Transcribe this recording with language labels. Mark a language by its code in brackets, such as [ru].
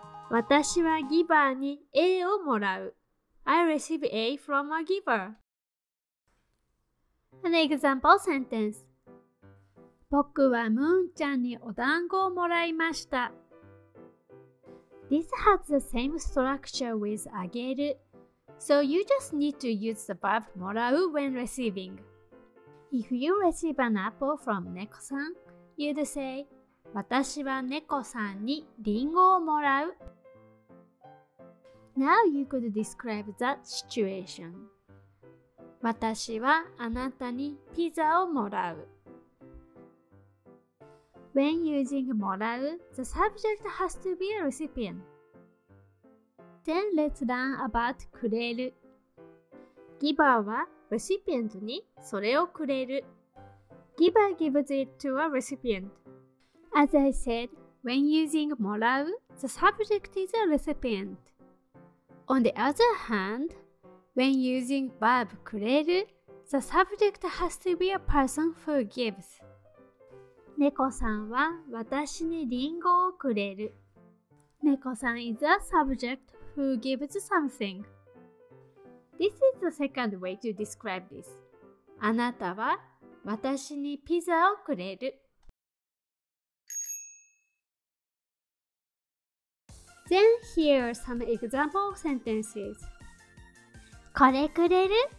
[ja] 私はギバーに A をもらう。 [en] I receive A from a giver. An example sentence. [ja] 僕はムーンちゃんにお団子をもらいました。 [en] This has the same structure with あげる。 So you just need to use the verb もらう when receiving. If you receive an apple from 猫さん, you'd say, [ja] 私は猫さんにリンゴをもらう。 [en] Now you could describe that situation. [ja] 私はあなたにピザをもらう。 [en] When using もらう, the subject has to be a recipient. Then let's learn about くれる。 [ja] Giver は recipient にそれをくれる。 [en] Giver gives it to a recipient. As I said, when using もらう, the subject is a recipient. On the other hand, when using verb くれる, the subject has to be a person who gives. [ja] 猫さんは私にリンゴをくれる。 [en] 猫さん is a subject who gives something. This is the second way to describe this. [ja] あなたは私にピザをくれる。 [en] Then here are some example sentences. [ja] これくれる？